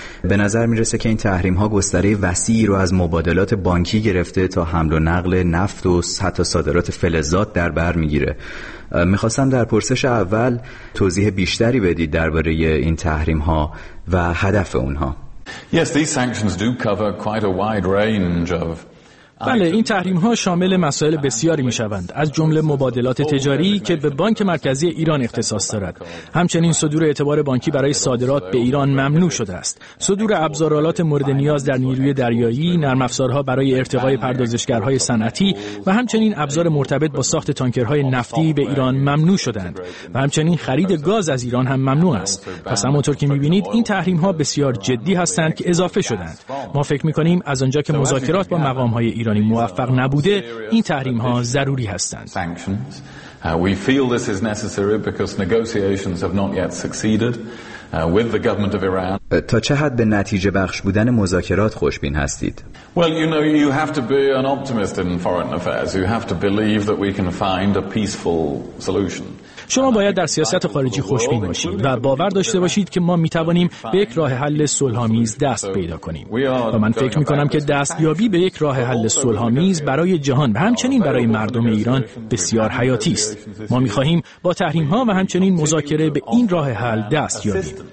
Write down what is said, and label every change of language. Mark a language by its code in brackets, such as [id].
[fa] به نظر می‌رسه که این تحریم‌ها گستره وسیعی رو از مبادلات بانکی گرفته تا حمل و نقل نفت و حتی صادرات فلزات در بر می‌گیره. می‌خواستم در پرسش اول توضیح بیشتری بدید درباره این تحریم‌ها و هدف اونها. [en] Yes, these sanctions do cover quite a wide range of. [fa] بله، این تحریم‌ها شامل مسائل بسیاری می‌شوند، از جمله مبادلات تجاری که به بانک مرکزی ایران اختصاص دارد. همچنین صدور اعتبار بانکی برای صادرات به ایران ممنوع شده است. صدور ابزارآلات مورد نیاز در نیروی دریایی، نرم افزارها برای ارتقای پردازشگرهای صنعتی و همچنین ابزار مرتبط با ساخت تانکرهای نفتی به ایران ممنوع شدند و همچنین خرید گاز از ایران هم ممنوع است. پس همونطور که می‌بینید این تحریم‌ها بسیار جدی هستند که اضافه شدند. ما فکر می‌کنیم از آنجا که مذاکرات با مقام‌های ایرانی موفق نبوده، این تحریم‌ها ضروری هستند. [en] We feel this is necessary because negotiations have not yet succeeded with the government of Iran. [fa] تا چه حد به نتیجه بخش بودن مذاکرات خوشبین هستید؟ [en] Well, you know, you have to be an optimist in foreign affairs. You have to believe that we can find a peaceful solution. [fa] شما باید در سیاست خارجی خوشبین باشید و باور داشته باشید که ما می توانیم به یک راه حل صلح‌آمیز دست پیدا کنیم. و من فکر می کنم که دستیابی به یک راه حل صلح‌آمیز برای جهان و همچنین برای مردم ایران بسیار حیاتی است. ما می خواهیم با تحریم‌ها و همچنین مذاکره به این راه حل دست یابیم.